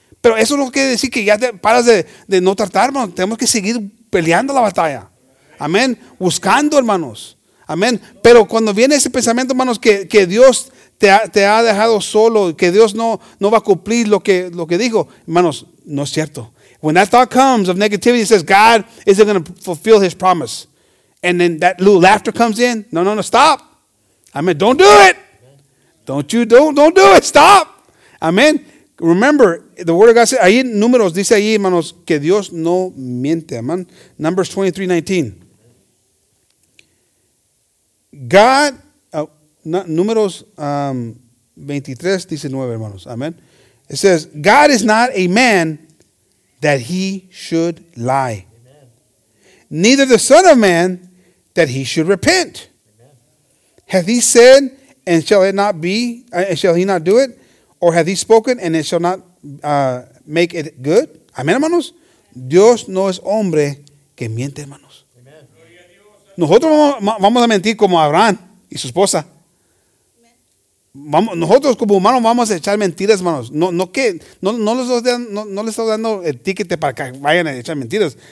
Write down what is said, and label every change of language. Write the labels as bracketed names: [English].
[Spanish] Pero eso no quiere decir que ya te paras de no tratar, hermanos. Tenemos que seguir peleando la batalla. Amén. Buscando, hermanos. Amén. Pero cuando viene ese pensamiento, hermanos, que Dios te ha dejado solo, que Dios no va a cumplir lo que dijo, hermanos, no es cierto. [English] When that thought comes of negativity, it says God isn't going to fulfill his promise. And then that little laughter comes in. No, stop. Amén. Don't do it. Don't do it. Stop. Amén. Remember, the word of God says, [Spanish] ahí en Números dice ahí, hermanos, que Dios no miente, [English] amen. Numbers 23:19. [Spanish] God, Números 23:19, hermanos, amen. [English] It says, God is not a man that he should lie. Amen. Neither the son of man that he should repent. Amen. Hath he said, and shall it not be, and shall he not do it? Or hath he spoken, and it shall not make it good? [Spanish] Amén, hermanos. Dios no es hombre que miente, hermanos. Nosotros vamos a mentir como Abraham y su esposa. Nosotros como humanos vamos a echar mentiras, hermanos. No les estoy dando el ticket para que vayan a echar mentiras.